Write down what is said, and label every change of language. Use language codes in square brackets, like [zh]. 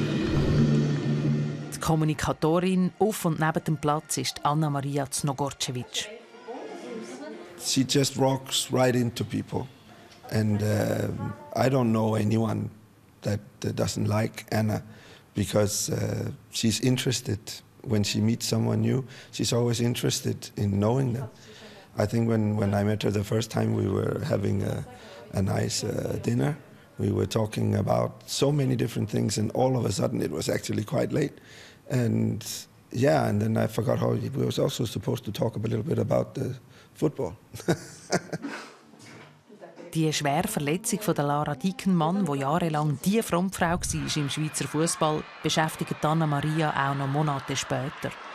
[de] Die Kommunikatorin auf und neben dem Platz ist Anna Maria Znogorcevic. [en] She just rocks right into people, and I don't know anyone that doesn't like Anna, because she's interested. When she meets someone new, she's always interested in knowing them. I think when I met her the first time, we were having a nice dinner. We were talking about so many different things, and all of a sudden it was actually quite late. And yeah, and then I forgot how we were also supposed to talk a little bit about the football. [de] Die schwere Verletzung von der Lara Diekenmann, die jahrelang die Frontfrau war im Schweizer Fußball, beschäftigt Anna Maria auch noch Monate später.